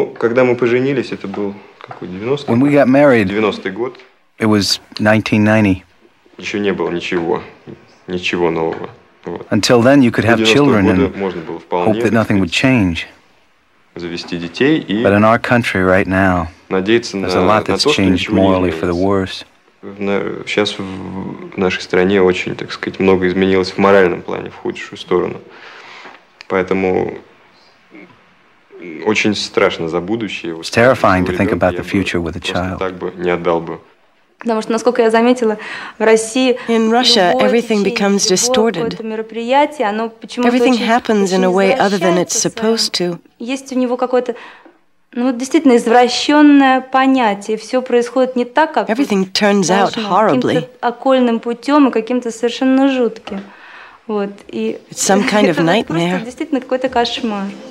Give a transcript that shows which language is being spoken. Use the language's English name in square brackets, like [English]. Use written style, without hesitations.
[English] When we got married, it was 1990. Until then, you could have children and hope that nothing would change. But in our country right now, there's a lot that's changed morally for the worse. [Russian] Сейчас в нашей стране очень, так сказать, много изменилось в моральном плане, в худшую сторону. Поэтому очень страшно за будущее. [English] It's terrifying to think about the future with a child. [Russian] Так бы не отдал бы. Потому что, насколько я заметила, в России... [English] In Russia, everything becomes distorted. Everything happens in a way other than it's supposed to. [Russian] Есть у него какое-то... Ну, действительно, извращенное понятие. Все происходит не так, как... [English] Everything turns out horribly. [Russian] Каким-то окольным путем и каким-то совершенно жутким. Вот, и... [English] It's some kind of nightmare. [Russian] Это просто действительно какой-то кошмар.